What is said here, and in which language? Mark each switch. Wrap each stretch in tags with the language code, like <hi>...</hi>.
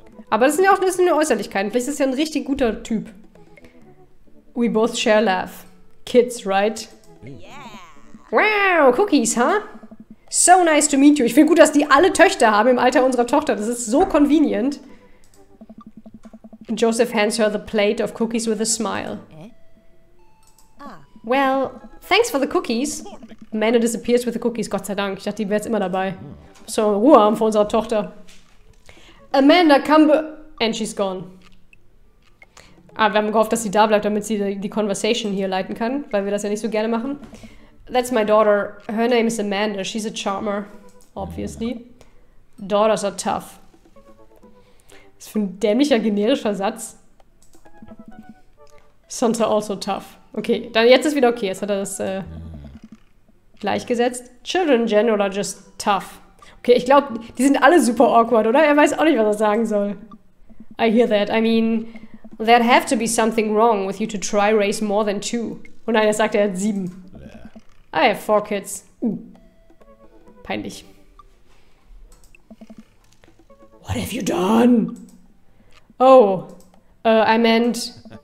<de>Aber das sind ja auch nur Äußerlichkeiten. Vielleicht ist er ja ein richtig guter Typ.</de> <en>We both share laugh. Kids, right? Yeah. Wow, Cookies, huh? So nice to meet you.</en> <de>Ich finde gut, dass die alle Töchter haben im Alter unserer Tochter. Das ist so convenient.</de> <en>Joseph hands her the plate of cookies with a smile. Well, thanks for the cookies. Manna disappears with the cookies.</en> <de>Gott sei Dank. Ich dachte, die wäre jetzt immer dabei. So Ruhe haben vor unserer Tochter.</de> <en>Amanda, come be- And she's gone.</en> <de>Aber wir haben gehofft, dass sie da bleibt, damit sie die Conversation hier leiten kann, weil wir das ja nicht so gerne machen.</de> <en>That's my daughter. Her name is Amanda. She's a charmer, obviously. Daughters are tough.</en> <de>Was für ein dämlicher, generischer Satz.</de> <en>Sons are also tough.</en> <de>Okay, dann jetzt ist wieder okay. Jetzt hat er das gleichgesetzt.</de> <en>Children in general are just tough.</en> <de>Okay, ich glaube, die sind alle super awkward, oder? Er weiß auch nicht, was er sagen soll.</de> <en>I hear that. I mean, there'd have to be something wrong with you to try raise more than two.</en> <de>Oh nein, er sagt, er hat sieben.</de> <en>I have four kids.</en> <de>Peinlich.</de> <en>What have you done? Oh, I meant...</en>